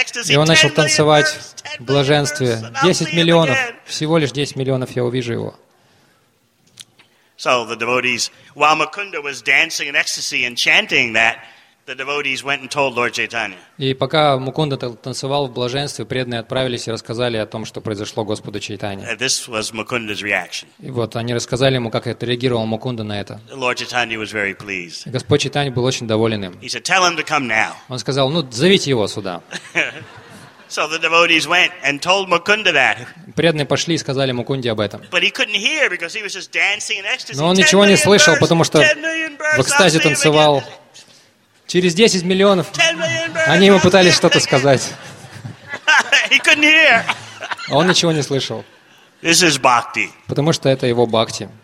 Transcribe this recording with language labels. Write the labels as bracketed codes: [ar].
[ru] И он начал танцевать в блаженстве. 10 миллионов. Всего лишь 10 миллионов я увижу его. [en] So the devotees, while Mukunda was dancing in ecstasy and chanting that, the devotees went and told Lord Chaitanya. [ru] И пока Мукунда танцевал в блаженстве, преданные отправились и рассказали о том, что произошло Господу Чайтанье. [en] This was Mukunda's reaction. [ru] И вот они рассказали ему, как отреагировал Мукунда на это. [en] Lord Chaitanya was very pleased. [ru] Господь Чайтанья был очень доволен им. [en] He said, "Tell him to come now." [ru] Он сказал: "Ну, зовите его сюда." [en] So the devotees went and told Mukunda that. [ru] Преданные пошли и сказали Мукунде об этом. [en] But he couldn't hear because he was just dancing in ecstasy. [ru] Но он ничего не слышал, потому что в экстазе танцевал. Через 10 миллионов они ему пытались что-то сказать. [en] He couldn't hear. [ru] Он ничего не слышал. [en] This is bhakti. [ru] Потому что это его бхакти.